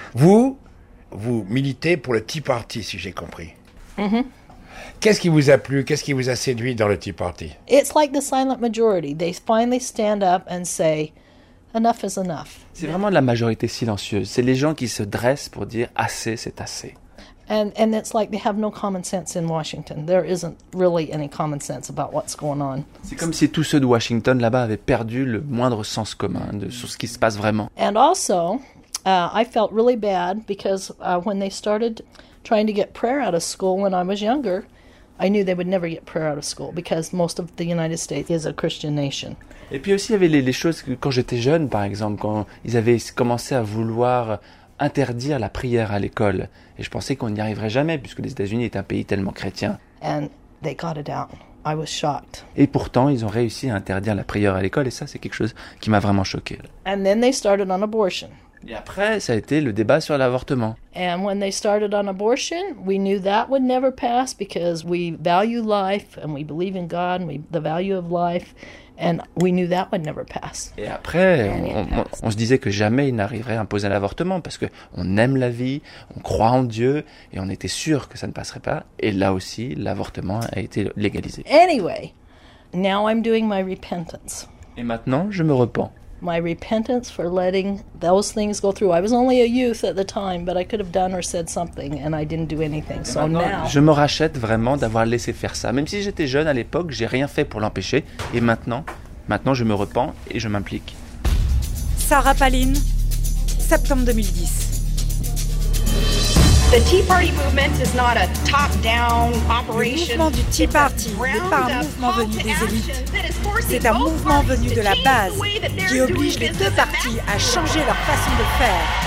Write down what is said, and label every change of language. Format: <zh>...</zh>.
<fr>Vous militez pour le Tea Party, si j'ai compris. Mm-hmm. Qu'est-ce qui vous a plu? Qu'est-ce qui vous a séduit dans le Tea Party?</fr> <en>It's like the silent majority. They finally stand up and say... Enough is enough.</en> <fr>C'est vraiment la majorité silencieuse. C'est les gens qui se dressent pour dire assez, c'est assez.</fr> <en>And it's like they have no common sense in Washington. There isn't really any common sense about what's going on.</en> <fr>C'est comme si tous ceux de Washington là-bas avaient perdu le moindre sens commun sur ce qui se passe vraiment.</fr> <en>And also, I felt really bad because when they started trying to get prayer out of school when I was younger, I knew they would never get prayer out of school because most of the United States is a Christian nation.</en> <fr>Et puis aussi, il y avait les choses que, quand j'étais jeune, par exemple, quand ils avaient commencé à vouloir interdire la prière à l'école. Et je pensais qu'on n'y arriverait jamais, puisque les États-Unis est un pays tellement chrétien.</fr> <en>And they got it out. I was shocked.</en> <fr>Et pourtant, ils ont réussi à interdire la prière à l'école, et ça, c'est quelque chose qui m'a vraiment choqué.</fr> <en>And then they started on abortion.</en> <fr>Et après, ça a été le débat sur l'avortement.</fr> <en>And when they started on abortion, we knew that would never pass because we value life and we believe in God and the value of life. And we knew that would never pass.</en> <fr>Et après, on se disait que jamais il n'arriverait à imposer l'avortement parce qu'on aime la vie, on croit en Dieu et on était sûr que ça ne passerait pas. Et là aussi, l'avortement a été légalisé.</fr> <en>Anyway, now I'm doing my repentance.</en> <fr>Et maintenant, je me repens.</fr> <en>My repentance for letting those things go through. I was only a youth at the time, but I could have done or said something, and I didn't do anything. So now,</en> <fr>je me rachète vraiment d'avoir laissé faire ça. Même si j'étais jeune à l'époque, j'ai rien fait pour l'empêcher. Et maintenant, je me repens et je m'implique. Sarah Palin, septembre 2010.</fr> <en>The Tea Party movement is not a top-down operation.</en> <fr>Le mouvement du Tea Party n'est pas un mouvement venu des élites. C'est un mouvement venu de la base qui oblige les deux partis à changer leur façon de faire.</fr>